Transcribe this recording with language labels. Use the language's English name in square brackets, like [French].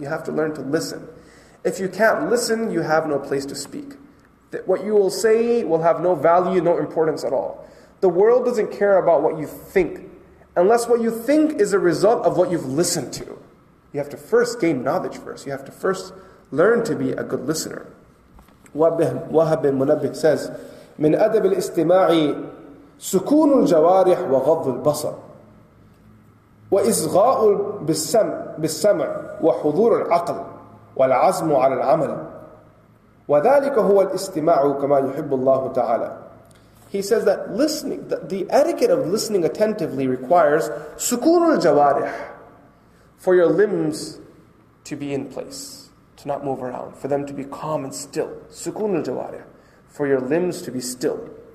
[English] You have to learn to listen. If you can't listen, you have no place to speak. What you will say will have no value, no importance at all. The world doesn't care about what you think, unless what you think is a result of what you've listened to. You have to first gain knowledge first. You have to first learn to be a good listener. Wahab bin Munabbih says, [Arabic] من أدب الاستماع سكون الجوارح وغض البصر وإصغاء بالسمع وحضور العقل والعزم على العمل وذلك هو الاستماع كما يحب الله تعالى. [English] He says that listening, the etiquette of listening attentively requires [Arabic] سكون الجوارح, [English] for your limbs to be in place, to not move around, for them to be calm and still. [Arabic] سكون الجوارح, [English] for your limbs to be still.